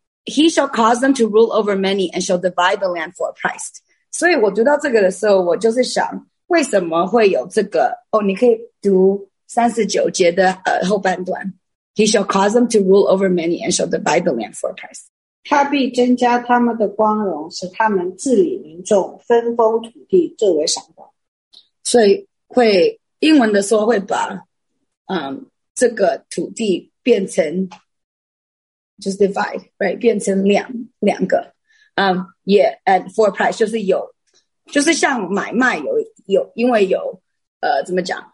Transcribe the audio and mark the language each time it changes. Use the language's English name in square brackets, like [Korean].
[English] He shall cause them to rule over many and shall divide the land for a price. [Chinese] 所以我读到这个的时候，我就是想，为什么会有这个？哦，你可以读39节的后半段。 [English] He shall cause them to rule over many and shall divide the land for a price. [Chinese] 他必增加他们的光荣，使他们治理民众，分封土地，作为赏宝。所以会英文的时候会把，这个土地变成。 [English] Just divide, right? [Chinese] 变成两个。 [English] Yeah, and for a price, [Chinese] 就是有，就是像买卖有，因为有，怎么讲？